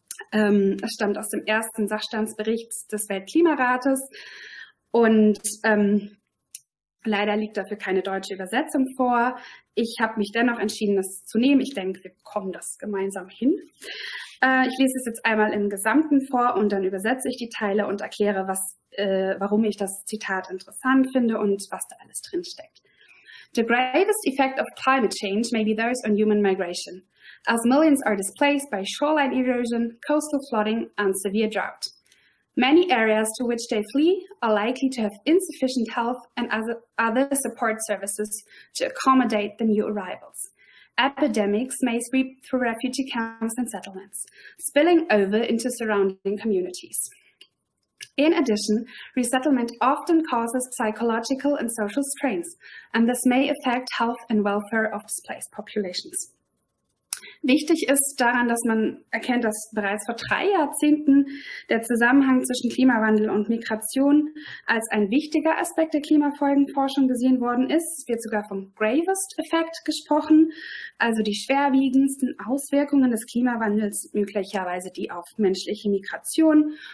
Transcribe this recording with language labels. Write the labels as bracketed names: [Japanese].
[German] Es stammt aus dem ersten Sachstandsbericht des Weltklimarates und leider liegt dafür keine deutsche Übersetzung vor. Ich habe mich dennoch entschieden, es zu nehmen. Ich denke, wir kommen das gemeinsam hin. Ich lese es jetzt einmal im Gesamten vor und dann übersetze ich die Teile und erkläre, warum ich das Zitat interessant finde und was da alles drin steckt. [English] The gravest effect of climate change may be those on human migration, as millions are displaced by shoreline erosion, coastal flooding and severe drought. Many areas to which they flee are likely to have insufficient health and other support services to accommodate the new arrivals. Epidemics may sweep through refugee camps and settlements, spilling over into surrounding communities. In addition, resettlement often causes psychological and social strains, and this may affect health and welfare of displaced populations. [German] Wichtig ist daran, dass man erkennt, dass bereits vor 3 Jahrzehnten der Zusammenhang zwischen Klimawandel und Migration als ein wichtiger Aspekt der Klimafolgenforschung gesehen worden ist. Es wird sogar vom gravest Effekt gesprochen, also die schwerwiegendsten Auswirkungen des Klimawandels, möglicherweise die auf menschliche Migration.